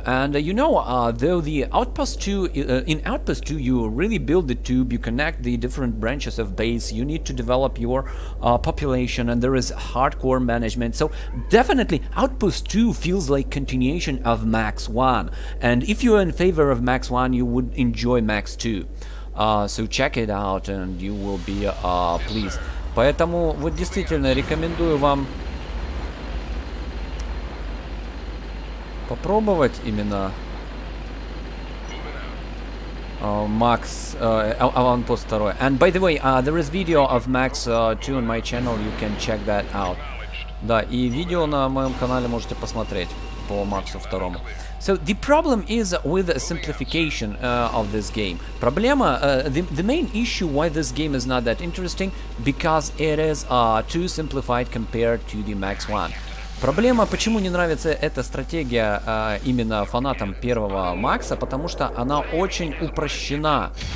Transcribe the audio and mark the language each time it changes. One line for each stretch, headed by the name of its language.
English: And you know, though the Outpost 2, in Outpost 2 you really build the tube, you connect the different branches of base, you need to develop your population, and there is hardcore management. So definitely Outpost 2 feels like continuation of Max 1. And if you are in favor of Max 1, you would enjoy Max 2. So check it out and you will be pleased.
Russian: Поэтому вот действительно рекомендую вам попробовать именно Max Avantpost 2.
English: And by the way, there is video of Max 2 on my channel, you can check that out.
Russian: Да, и видео на моем канале можете посмотреть по Максу 2.
English: So the problem is with simplification of this game.
Russian: Проблема,
English: the main issue why this game is not that interesting, because it is too simplified compared to the Max 1.
Russian: Проблема, почему не нравится эта стратегия именно фанатам первого Макса, потому что она очень упрощена.